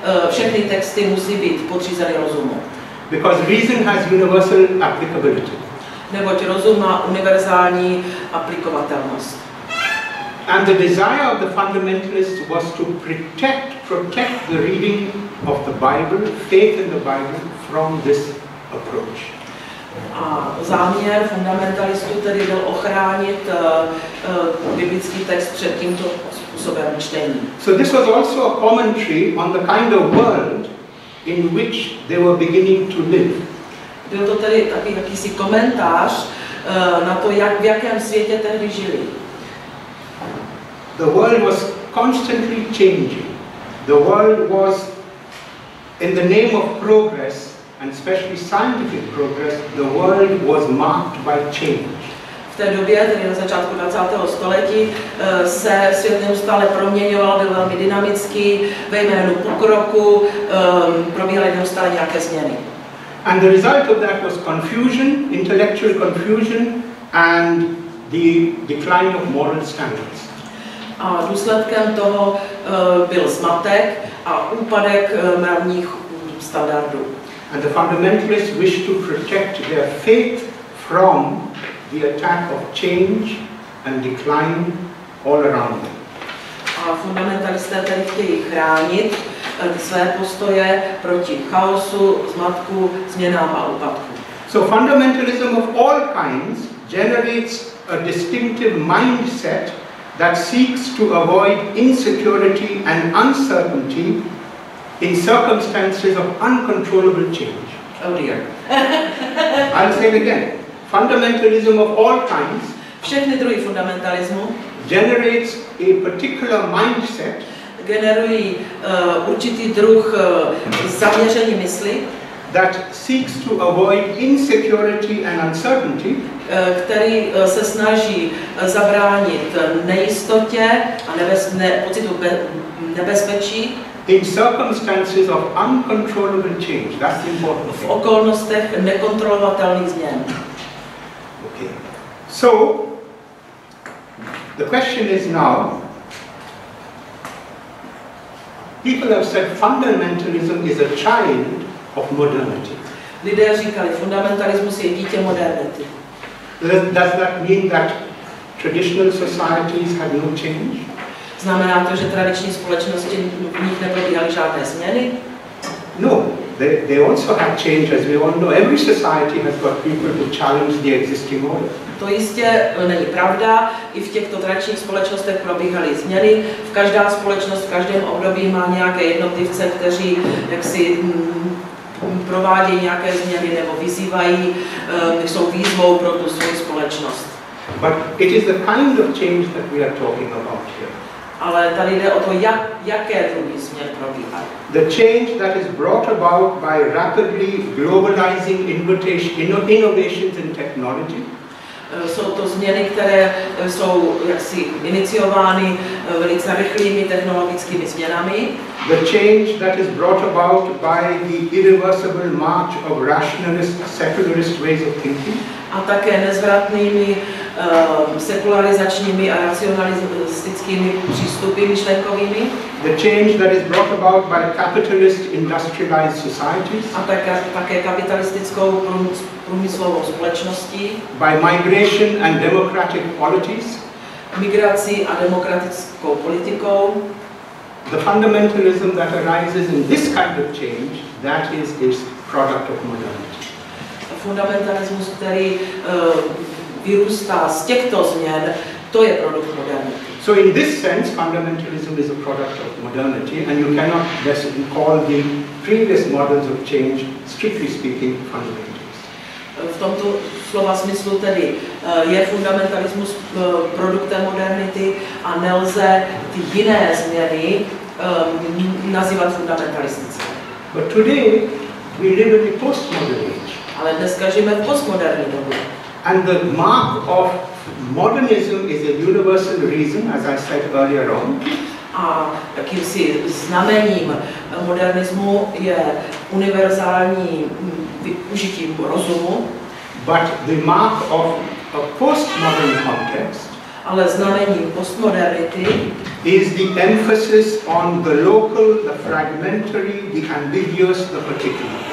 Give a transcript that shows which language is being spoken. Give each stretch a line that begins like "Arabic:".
Czech: Všechny texty musí být podřízeny rozumu.
English: Because reason has universal applicability.
Czech: Neboť rozum má univerzální aplikovatelnost.
English: And the desire of the fundamentalists was to protect the reading of the Bible, faith in the Bible, from this approach.
Czech: A záměr fundamentalistů tedy byl ochránit biblický text před tímto způsobem čtení.
English: So this was also a commentary on the kind of world in which they were beginning to live.
Czech: Byl to tedy taky jakýsi komentář na to, jak v jakém světě tehdy žili.
English: The world was constantly changing. The world was, in the name of progress, and especially scientific progress, the world was marked by change.
Czech: V té době, tedy na začátku 20. století, se svět neustále proměňoval, byl velmi dynamický, ve jménu pokroku probíhaly neustále nějaké změny.
English: And the result of that was confusion, intellectual confusion, and the decline of moral standards.
Czech: A důsledkem toho byl zmatek a úpadek mravních standardů.
English: And the fundamentalists wished to protect their faith from the attack of change and decline all around them.
Czech: A fundamentalisté tedy chtějí chránit své postoje proti chaosu, zmatku, změnám a úpadku.
English: So fundamentalism of all kinds generates a distinctive mindset that seeks to avoid insecurity and uncertainty in circumstances of uncontrollable change. Oh dear. I'll say it again. Fundamentalism of all kinds
Czech: všechny druhy fundamentalismu
English: generates a particular mindset
Czech: generují určitý druh zaměření mysli
English: that seeks to avoid insecurity and uncertainty
Czech: který se snaží zabránit nejistotě a pocitu nebezpečí
English: in circumstances of uncontrollable change. That's important.
Czech: V okolnostech nekontrolovatelných změn.
English: Okay. So the question is now, people have said fundamentalism is a child of modernity.
Czech: Lidé říkali, fundamentalismus je dítě modernity.
English: Does that mean that traditional societies had no change?
Czech: Znamená to, že tradiční společnosti v nich neprobíhaly žádné změny?
English: No, they also had change, as we all know. Every society has got people to challenge the existing order.
Czech: To jistě není pravda, i v těchto tradičních společnostech probíhaly změny. V každá společnost v každém období má nějaké jednotlivce, kteří jaksi provádějí nějaké změny nebo vyzývají, jsou výzvou pro tu svou společnost.
English: But it is the kind of change that we are talking about here.
Czech: Ale tady jde o to, jaké druhy změn probíhají.
English: The change that is brought about by rapidly globalizing innovations in technology.
Czech: Jsou to změny, které jsou jaksi iniciovány velice rychlými technologickými změnami.
English: The change that is brought about by the irreversible march of rationalist, secularist ways of thinking.
Czech: A také nezvratnými sekularizačními a racionalistickými přístupy myšlenkovými.
English: The change that is brought about by capitalist industrialized societies.
Czech: A také kapitalistickou průmyslovou společností.
English: By migration and democratic polities.
Czech: Migrací a demokratickou politikou.
English: The fundamentalism that arises in this kind of change, that is its product of modernity.
Czech: Fundamentalismus, který vyrůstá z těchto změn, to je produkt modernity.
English: So in this sense, fundamentalism is a product of modernity, and you cannot basically call the previous models of change, strictly speaking, fundamentalists.
Czech: V tomto slova smyslu tedy je fundamentalismus produktem modernity a nelze ty jiné změny nazývat fundamentalistické.
English: But today we live in a postmodern age.
Czech: Ale dneska žijeme v postmoderní době.
English: And the mark of modernism is a universal reason, as I said earlier on.
Czech: A jakýmsi znamením modernismu je univerzální využití rozumu.
English: But the mark of a postmodern context.
Czech: Ale znamení postmodernity
English: is the emphasis on the local, the fragmentary, the ambiguous, the particular.